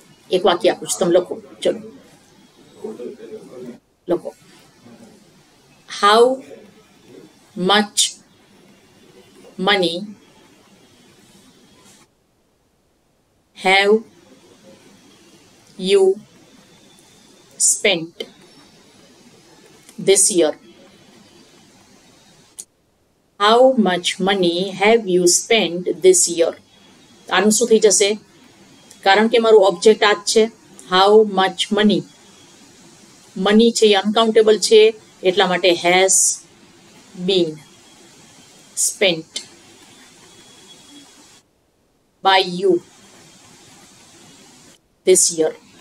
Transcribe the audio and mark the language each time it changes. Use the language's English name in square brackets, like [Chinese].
[Gujarati] એક વાક્ય આપું છું, તમે લખો. ચલો લખો, [English] How much money have you spent this year? How much money have you spent this year? [Gujarati] આનું શું થઈ જશે? કારણ કે મારું ઓબ્જેક્ટ આ જ છે, હાઉ મચ મની, મની છે એ અનકાઉન્ટેબલ છે, એટલા માટે [English] has been spent by you this year.